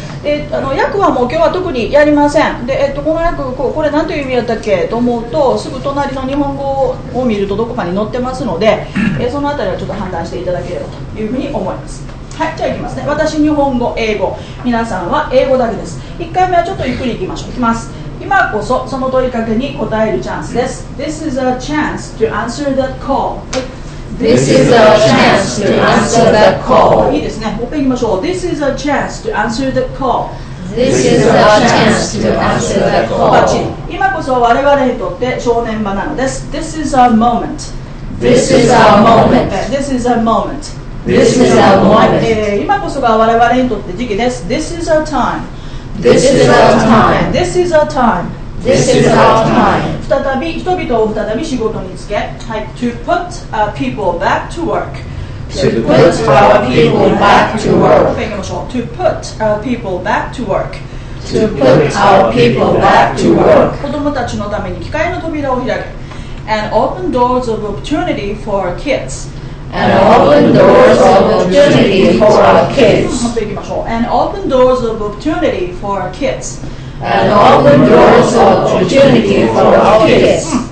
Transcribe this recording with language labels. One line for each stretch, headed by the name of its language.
Japanese: で、あの、訳はもう今日は特にやりません。で、この訳、これ何という意味だったっけと思うと、すぐ隣の日本語を見るとどこかに載ってますので、そのあたりはちょっと判断していただければというふうに思います。はい、じゃあいきますね。私日本語英語、皆さんは英語だけです。1回目はちょっとゆっくりいきましょう。いきます。今こそその問いかけに答えるチャンスです。
English: This is a chance to answer that call. This is a chance to answer that call.
Japanese: いいですね、もう一回いきましょう。
English: This is a chance to answer that call. This is a chance to answer that call.
Japanese: バッチリ。今こそ我々にとって正念場なのです。
English: This is a moment. This is a moment. This is a moment. This is a moment.
Japanese: 今こそが我々にとって時期です。
English: This is a time This is our time. This is our time. This is our time.
Japanese: 再び人々を再び仕事につけ。はい。
English: To put our people back to work. To put our people back to work. To put our people back to work. To put our people back to work.
Japanese: 子供たちのために機会の扉を開け。
English: And open doors of opportunity for our kids. And open doors of opportunity for our kids. And open doors of opportunity for our kids. And open doors of opportunity for our kids.